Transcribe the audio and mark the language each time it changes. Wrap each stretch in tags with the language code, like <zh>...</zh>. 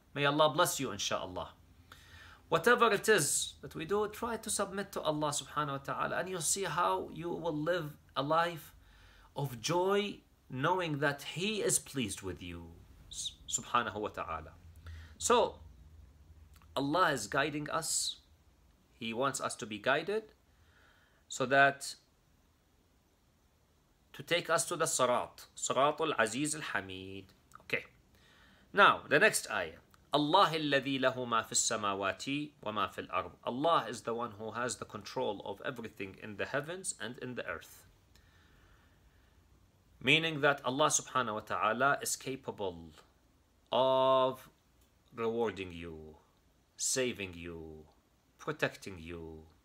<en>May Allah bless you, inshallah. Whatever it is that we do, try to submit to Allah subhanahu wa ta'ala, and you'll see how you will live a life of joy, knowing that He is pleased with you, subhanahu wa ta'ala. So, Allah is guiding us. He wants us to be guided so that to take us to the Sirat, Sirat al-Aziz al-Hamid. Okay. Now, the next ayah.</en> <ar>Allah الذي له ما في السماوات وما في الأرض.</ar> <en>Allah is the one who has the control of everything in the heavens and in the earth. Meaning that Allah subhanahu wa ta'ala is capable of rewarding you, saving you, protecting you.</en>